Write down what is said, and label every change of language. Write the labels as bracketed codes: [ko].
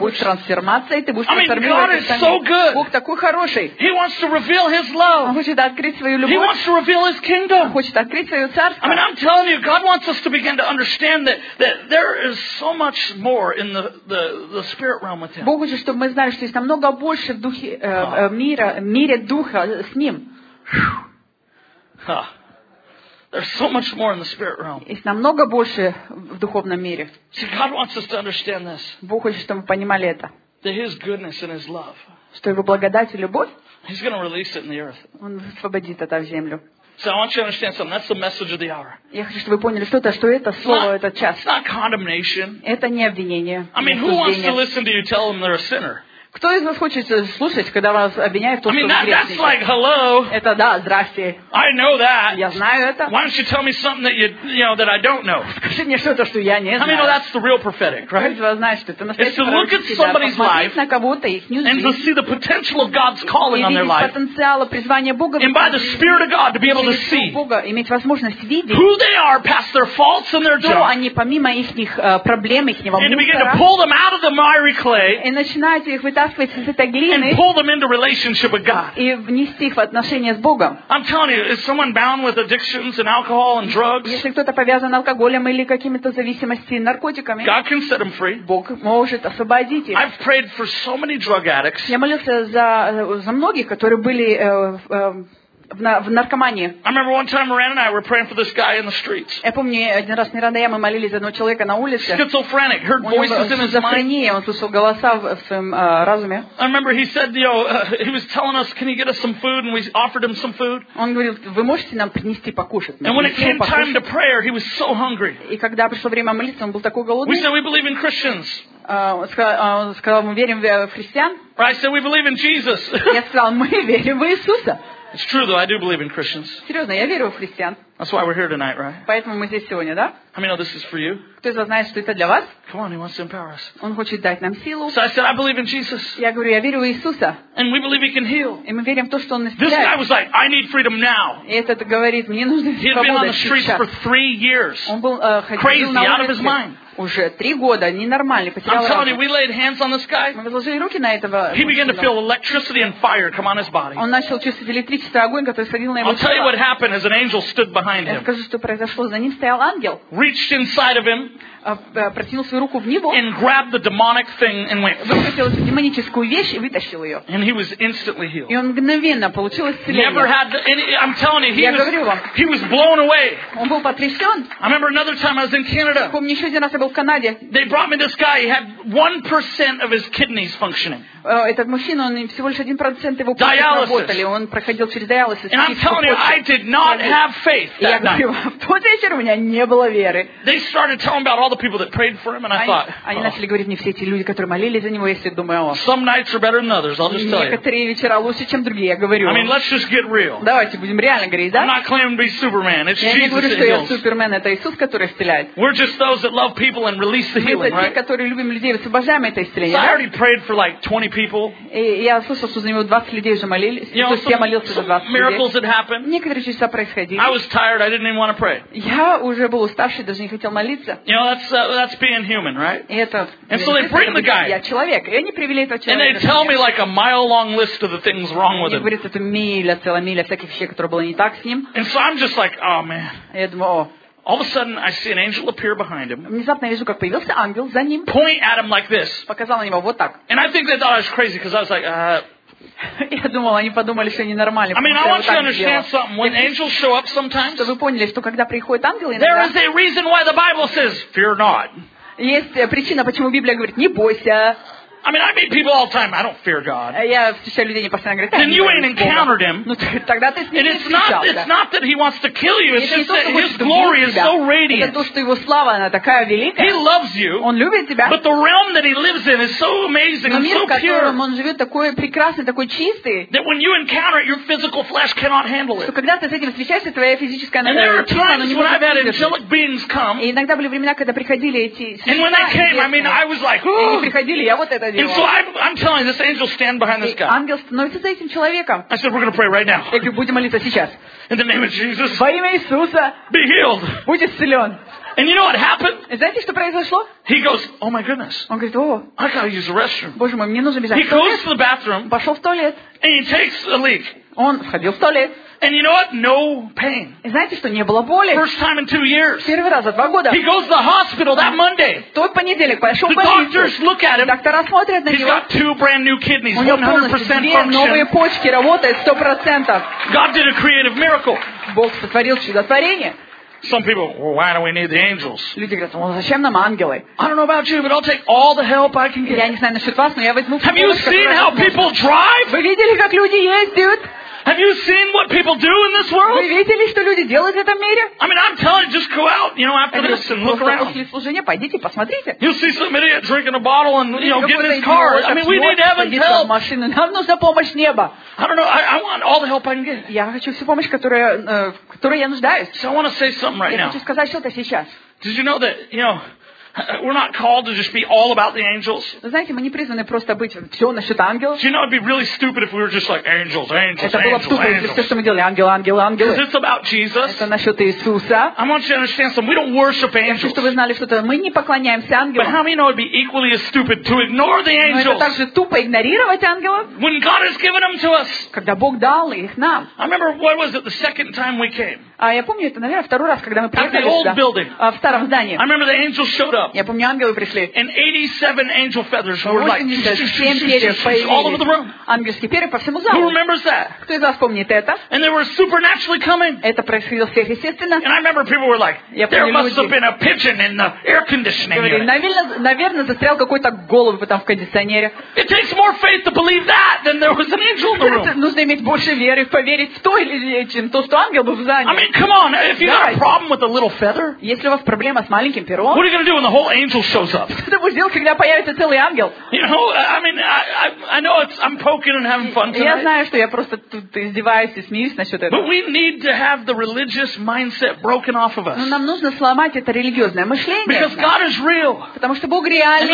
[ru] Будь трансформацией, ты будешь трансформировать. [en] I mean, God is so good. [ru] Бог такой хороший. [en] He wants to reveal His love. [ru] Он хочет открыть свою любовь. [en] He wants to reveal His kingdom. [ru] Он хочет открыть свое царство. [en] I mean, I'm telling you, God wants us to begin to understand that there is so much more in the spirit realm with Him. [ru] Бог хочет, чтобы мы знали, что есть намного больше в духе мира, мире духа с Ним. [en] There's so much more in the spirit realm. [ru] Есть намного больше в духовном мире. [en] See, God wants us to understand this. [ru] Бог хочет, чтобы мы понимали это. [en] That His goodness and His love. [ru] Что Его благодать и любовь. [en] He's going to release it in the earth. [ru] Он освободит это в землю. [en] So I want you to understand something. That's the message of the hour. [ru] Я хочу, чтобы вы поняли что-то, что это слово, этот час. [en] It's not condemnation. [ru] Это не обвинение. [en] I mean, who wants to listen to you tell them they're a sinner? [ru] Кто из вас хочет слушать, когда вас обвиняют в том, что вы грешник? [en] Like, hello. [ru] Это да, здрасте. [en] I know that. [ru] Я знаю это. [en] Why don't you tell me something that you know that I don't know? [ru] Скажи мне что-то, что я не знаю. [en] I mean, no, that's the real prophetic, right? [ru] Кто из вас знает, что это настоящий пророк? [en] It's to look at somebody's life [ru] на кого-то, их жизнь, [en] and to see the potential of God's calling on their life. [ru] И видеть потенциал призвания Бога. [en] And by the Spirit of God to be able to see. [ru] Бога иметь возможность видеть. [en] Who they are past their faults and their junk. [ru] Кто они помимо их проблем, их мусора. [en] And to begin to pull them out of the miry clay. [ru] И начинать их [en] and pull them into relationship with God. [ru] И внести их в отношения с Богом. [en] I'm telling you, is someone bound with addictions and alcohol and drugs? [ru] Если кто-то повязан алкоголем или какими-то зависимостями, наркотиками, [en] God can set them free. [ru] Бог может освободить их. [en] I've prayed for so many drug addicts. [ru] Я молился за многих, которые были в наркомании. [en] I remember one time Miranda and I were praying for this guy in the streets. [ru] Я помню, один раз Миранда и я, мы молились за одного человека на улице. [en] Schizophrenic, heard voices in his mind. [ru] Он слышал голоса в своем разуме. [en] I remember he said, you know, he was telling us, can you get us some food? And we offered him some food. [ru] Он говорил, вы можете нам принести покушать? [en] And when it came time to prayer, he was so hungry. [ru] И когда пришло время молиться, он был такой голодный. [en] We said, we believe in Christians. [ru] Он сказал, мы верим в христиан. [en] I said, we believe in Jesus. [ru] Я сказал, мы верим в Иисуса. [en] It's true, though, I do believe in Christians. [ru] Серьезно, я верю в христиан. [en] That's why we're here tonight, right? [ru] Поэтому мы здесь сегодня, да? [en] How many know this is for you? [ru] Кто из вас знает, что это для вас? [en] Come on, he wants to empower us. [ru] Он хочет дать нам силу. [en] So I said, I believe in Jesus. [ru] Я говорю, я верю в Иисуса. [en] And we believe he can heal. [ru] И мы верим в то, что он исцеляет. [en] This guy was like, I need freedom now. [ru] И этот говорит, мне нужно свободу сейчас. [en] He had been on the streets for 3 years. [ru] Он был [en] crazy, out of his mind. [ru] Уже 3 года, ненормальный, потерял разум. [en] I'm telling you, we laid hands on this guy. [ru] Мы возложили руки на этого. [en] He began to feel electricity and fire come on his body. [ru] Он начал чувствовать электричество, огонь, который сходил на его тело. [en] I'll tell you what happened as an angel stood behind him. [ru] Скажи, что произошло, за ним стоял ангел. [en] Reached inside of him. [ru] протянул свою руку в небо. [en] And grabbed the demonic thing and went. [ru] Выхватил эту демоническую вещь и вытащил ее. [en] And he was instantly healed. [ru] И он мгновенно получил исцеление. [en] Never had the, and I'm telling you, he was blown away. [ru] Он был потрясен. [en] I remember another time I was in Canada. [ru] Помню, еще один раз я был в Канаде. [en] They brought me this guy. He had 1% of his kidneys functioning. [ru] Этот мужчина, он всего лишь 1% его почек работали. Он проходил через диализ. [en] And I'm telling you, I did not have faith that night. [ru] Я говорю, в тот вечер у меня не было веры. [en] They started telling about all the people that prayed for him, and I thought. [ru] Они начали говорить мне все эти люди, которые молились за него. Я себе думаю, о. [en] Some nights are better than others. I'll just tell you. [ru] Некоторые вечера лучше, чем другие. Я говорю. [en] I mean, let's just get real. [ru] Давайте будем реально говорить, да? [en] I'm not claiming to be Superman. It's Jesus. [ru] Я не говорю, что я Супермен. Это Иисус, который исцеляет. [en] We're just those that love people and release the healing, right? [ru] Мы те, которые любим людей, освобождаем это исцеление. [en] I already prayed for like 20 people. [ru] Я слышал, что за него 20 людей уже молились. [en] You know, [ru] я молился за 20 [en] miracles that happened. [ru] Некоторые чудеса происходили. [en] I was tired. I didn't even want to pray. [ru] Я уже был уставший, даже не хотел молиться. [en] You know, that's being human, right? [ru] Это. [en] And so they bring the guy. [ru] Я человек, и они привели этого человека. [en] And they tell me like a mile long list of the things wrong with him. [ru] Мне говорят, это миля, целая миля всяких вещей, которые было не так с ним. [en] And so I'm just like, oh man. [ru] Я думаю, о. [en] All of a sudden, I see an angel appear behind him. [ru] Внезапно я вижу, как появился ангел за ним. [en] Point at him like this. [ru] Показал на него вот так. [en] And I think they thought I was crazy because I was like, [ru] Я думал, они подумали, что я ненормальный. [en] I mean, I want you to understand something. When angels show up sometimes, [ru] чтобы вы поняли, что когда приходят ангелы, [en] there is a reason why the Bible says, "Fear not." [ru] Есть причина, почему Библия говорит, не бойся. [en] I mean, I meet people all the time. I don't fear God. [ru] Я встречаю людей непостоянно, говорят, [en] then you ain't encountered him. [ru] Ну, тогда ты с ним [en] and it's [ru] встречал, [en] not [ru] да. [en] It's not that he wants to kill you. It's just that his glory is so radiant. [ru] Это то, что его слава, она такая великая. [en] He loves you. [ru] Он любит тебя. [en] But the realm that he lives in is so amazing and so pure. [ru] Но мир, в котором он живет, такой прекрасный, такой чистый. [en] That when you encounter it, your physical flesh cannot handle it. [ru] Что когда ты с этим встречаешься, твоя физическая [en] and there are times when I've had angelic beings come. [ru] И иногда были времена, когда приходили эти. [en] And when they came, I mean, I was like, [ru] ooh. И приходили, я вот это. [en] And so I'm telling this angel stand behind this guy. [ru] Ангел становится за этим человеком. [en] I said we're going to pray right now. [ru] Я говорю, будем молиться сейчас. [en] In the name of Jesus. [ru] Во имя Иисуса. [en] Be healed. [ru] Будь исцелен. [en] And you know what happened? [ru] Знаете, что произошло? [en] He goes, oh my goodness. [ru] Он говорит, о. [en] I gotta use the restroom. [ru] Боже мой, мне нужно бежать. [en] He goes to the bathroom. [ru] Пошел в туалет. [en] And he takes a leak. [ru] Он сходил в туалет. [en] And you know what? No pain. [ru] И знаете, что не было боли? [en] First time in 2 years. [ru] Первый раз за 2 года. [en] He goes to the hospital that Monday. [ru] Тот понедельник пошел в больницу. [en] The doctors look at him. [ru] Доктора смотрят на него. [en] He's got 2 brand new kidneys, 100% function. [ru] У него полностью две новые почки, работает 100%. [en] God did a creative miracle. [ru] Бог сотворил чудотворение. [en] Some people, well, why do we need the angels? [ru] Люди говорят, ну зачем нам ангелы? [en] I don't know about you, but I'll take all the help I can get. [ru] Я не знаю насчет вас, но я возьму. [en] Have you seen how people drive? [ru] Вы видели, как люди ездят? [en] Have you seen what people do in this world? [ru] Вы видели, что люди делают в этом мире? [en] I mean, I'm telling you, just go out, you know, after this and look around. [ru] После служения пойдите посмотрите. [en] You'll see some idiot drinking a bottle and, you know, getting his car. I mean, we need heaven's help. [ru] Машины, нам нужна помощь неба. [en] I don't know. I want all the help I can get. [ru] Я хочу всю помощь, которую я нуждаюсь. [en] So I want to say something right now. [ru] Я хочу сказать что-то сейчас. [en] Did you know that, you know? We're not called to just be all about the angels. [ru] Знаете, мы не призваны просто быть все насчет ангелов. [en] You know, it'd be really stupid if we were just like angels, angels, angels. [ru] Это было ступо, если все, что мы делали, ангелы, ангелы, ангелы. [en] Because it's about Jesus. [ru] Это насчет Иисуса. [en] I want you to understand something. We don't worship angels. [ru] Я хочу, чтобы вы знали, что мы не поклоняемся ангелам. [en] But how many know it'd be equally as stupid to ignore the angels? [ru] Но это также тупо игнорировать ангелов. [en] When God has given them to us. [ru] Когда Бог дал их нам. [en] I remember what was it the second time we came. [ru] А я помню это, наверное, второй раз, когда мы приехали сюда. [en] At the old building. [ru] В старом здании. [en] I remember the angels showed up. [ru] Я помню, ангелы пришли. [en] And 87 angel feathers were like all over the room. [ru] Ангельские перья по всему залу. [en] Who remembers that? [ru] Кто из вас помнит это? [en] And they were supernaturally coming. [ru] Это происходило сверхъестественно. [en] And I remember people were like, there must have been a pigeon in the air conditioning unit. [ru] Говорили, наверное, застрял какой-то голубь там в кондиционере. [en] It takes more faith to believe that than there was an angel in the room. [ru] Нужно иметь больше веры, поверить в то, чем то, что ангел был в здании. [en] I mean, come on, if you got a problem with a little feather? [ru] Если у вас проблема с маленьким пером? [en] What are you gonna do? And the whole angel shows up. [ru] Что ты будешь делать, когда появится целый ангел? [en] You know, I mean, I know it's I'm poking and having fun tonight. [ru] Я знаю, что я просто тут издеваюсь и смеюсь насчет этого. [en] But we need to have the religious mindset broken off of us. [ru] Но нам нужно сломать это религиозное мышление. [en] Because God is real. [ru] Потому что Бог реальный.